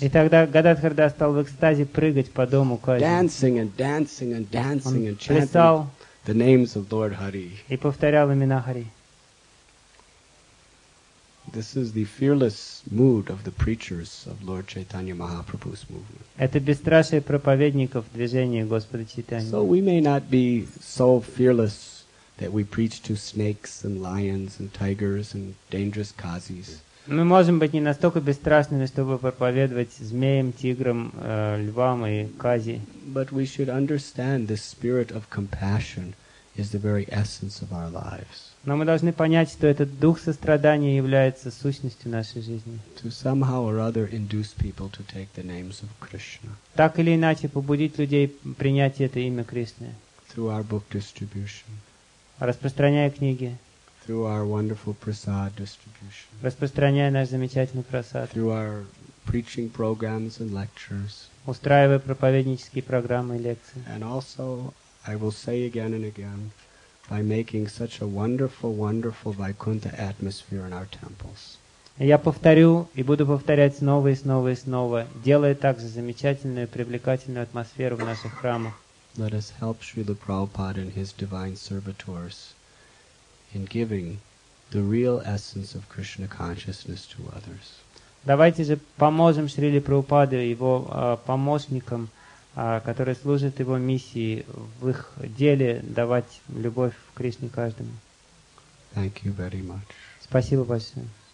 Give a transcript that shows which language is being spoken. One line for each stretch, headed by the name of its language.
Russian: И тогда Гададхар Дас стал в экстазе прыгать по дому Кази.
English: Dancing and dancing and dancing and chanting the names of Lord Hari.
Russian: И повторял имена Хари.
English: This is the fearless mood of the preachers of Lord Chaitanya Mahaprabhu's movement.
Russian: Это бесстрашие проповедников движения Господа Чайтаньи.
English: So we may not be so fearless that we preach to snakes and lions and tigers and dangerous kazis.
Russian: Мы можем быть не настолько бесстрашными, чтобы проповедовать змеям, тиграм, львам и кази.
English: But we should understand the spirit of compassion is the very essence of our lives.
Russian: Но мы должны понять, что этот дух сострадания является сущностью нашей жизни.
English: To somehow or other induce people to take the names of Krishna.
Russian: Так или иначе побудить людей принять это имя Кришны.
English: Through our book distribution.
Russian: Распространяя книги.
English: Through our wonderful prasad distribution.
Russian: Распространяя наш замечательный прасад.
English: Through our preaching programs and lectures.
Russian: Устраивая проповеднические программы и лекции.
English: And also, I will say again and again, by making such a wonderful, wonderful Vaikuntha atmosphere in our temples.
Russian: Я повторю и буду повторять снова и снова и снова, делая также замечательную, привлекательную атмосферу в наших храмах.
English: Let us help Srila Prabhupada and his divine servitors in giving the real essence of Krishna consciousness to others.
Russian: Давайте же поможем Шриле Прабхупаде и его помощникам, которые служат его миссии в их деле давать любовь к Кришне каждому.
English: Thank you very much.
Russian: Спасибо большое.